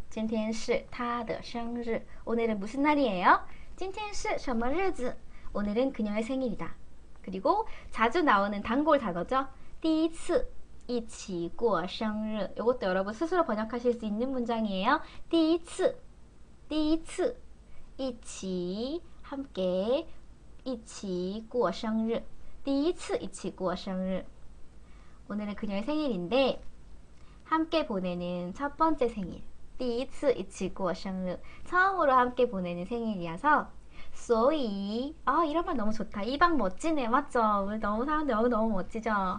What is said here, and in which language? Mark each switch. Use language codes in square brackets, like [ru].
[zh] 今天是他的生日. [ko] 오늘은 무슨 날이에요? [zh] 今天是什么日子? [ko] 오늘은 그녀의 생일이다. 그리고 자주 나오는 단골 단어죠? [zh] 第一次一起过生日. [ko] 요것도 여러분 스스로 번역하실 수 있는 문장이에요. [zh] 第一次一起 [ko] 함께 [zh] 一起过生日. 第一次一起过生日. [ko] 오늘은 그녀의 생일인데 함께 보내는 첫 번째 생일. [zh] 第一次一起过生日. [ko] 처음으로 함께 보내는 생일이어서 [zh] 所以 [ko] 이런 말 너무 좋다. 이방 멋지네. 맞죠? 오늘 너무 사람 너무 멋지죠?